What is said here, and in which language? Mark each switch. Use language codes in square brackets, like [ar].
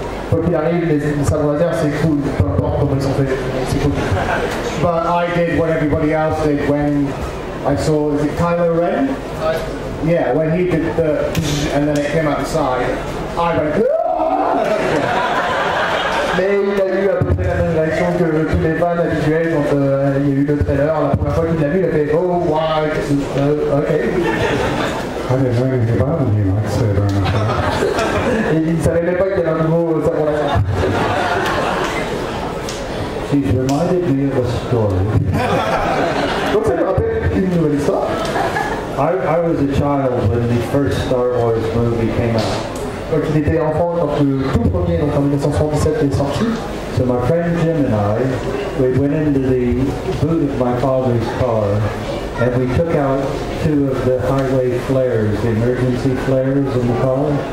[fr] Quoi qu'il arrive, les sabres laser, c'est cool, peu importe comment ils sont faits, c'est cool. [en] But I did what everybody else did when I saw, is it Kylo Ren? Yeah, when he did the and then it came out the side, I went, [fr] mais il a eu à peu près la même réaction que tous les fans habituels quand il y a eu le trailer. La première fois qu'il l'a vu, il a fait, oh, wow, ok. [en] I didn't know anything about the new lightsaber or not. [fr] Il ne savait même pas qu'il y avait un nouveau sabre laser. [en] He's reminded me of a story. [fr] Donc ça me rappelle une nouvelle histoire. [en] I was a child when the first Star Wars movie came out. [fr] Quand il était enfant, quand le tout premier, donc en 1977, est sorti. [en] So my friend Jim and I, we went into the boot of my father's car. And we took out two of the highway flares, the emergency flares in the car.